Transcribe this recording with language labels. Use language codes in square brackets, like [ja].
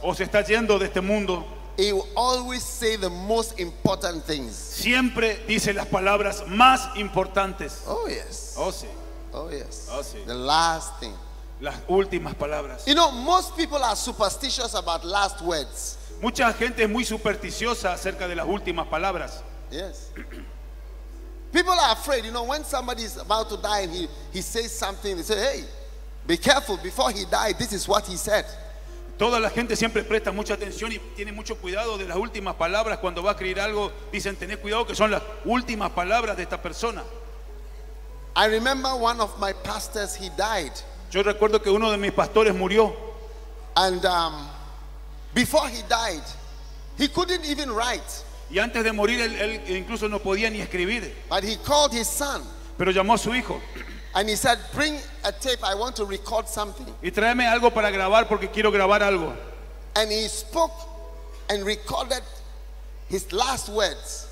[es] o se está yendo de este mundo, [en] he will always say the most important things. [es] Siempre dice las palabras más importantes. [en] Oh yes. [es] Oh sí. [en] Oh yes. [es] Oh sí. [en] The last thing. [es] Las últimas palabras. [en] You know, most people are superstitious about last words. [es] Mucha gente es muy supersticiosa acerca de las últimas palabras. [en] Yes. People are afraid. You know, when somebody is about to die and he says something, they say, "Hey, be careful before he died. This is what he said." [es] Toda la gente siempre presta mucha atención y tiene mucho cuidado de las últimas palabras cuando va a escribir algo. Dicen, tené cuidado que son las últimas palabras de esta persona. [en] I remember one of my pastors, he died. [es] Yo recuerdo que uno de mis pastores murió. [en] And before he died, he couldn't even write. [es] Y antes de morir él incluso no podía ni escribir. [en] But he called his son. [es] Pero llamó a su hijo. [en] And he said, "Bring a tape. I want to record something." [es] Y tráeme algo para grabar porque quiero grabar algo. [en] And he spoke and recorded his last words.